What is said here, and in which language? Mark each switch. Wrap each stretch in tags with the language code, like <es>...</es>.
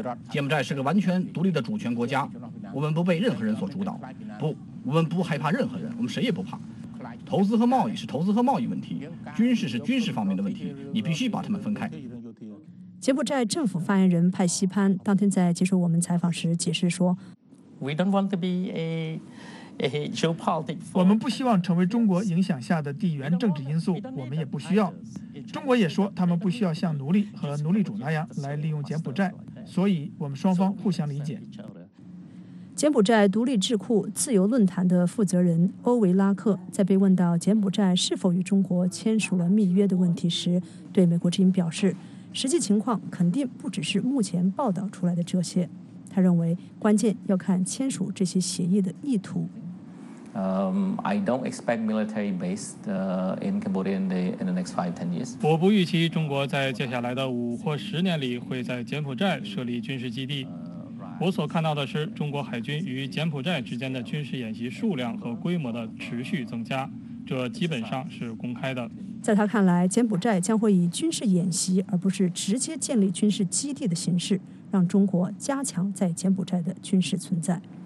<zh>柬埔寨是个完全独立的主权国家，我们不被任何人所主导。不，我们不害怕任何人，我们谁也不怕。投资和贸易是投资和贸易问题，军事是军事方面的问题，你必须把它们分开。柬埔寨政府发言人派西潘当天在接受我们采访时解释说，</zh> <en>We don't want to be a geopolitics for...</en> <zh>我们不希望成为中国影响下的地缘政治因素，我们也不需要。中国也说他们不需要像奴隶和奴隶主那样来利用柬埔寨，所以我们双方互相理解。柬埔寨独立智库自由论坛的负责人欧维拉克在被问到柬埔寨是否与中国签署了密约的问题时，对美国之音表示，实际情况肯定不只是目前报道出来的这些。他认为关键要看签署这些协议的意图。</zh> <en>I don't expect military base in Cambodia in the next 5-10 years.</en> <zh>我不预期中国在接下来的5或10年里会在柬埔寨设立军事基地。我所看到的是中国海军与柬埔寨之间的军事演习数量和规模的持续增加，这基本上是公开的。在他看来，柬埔寨将会以军事演习而不是直接建立军事基地的形式，让中国加强在柬埔寨的军事存在。</zh>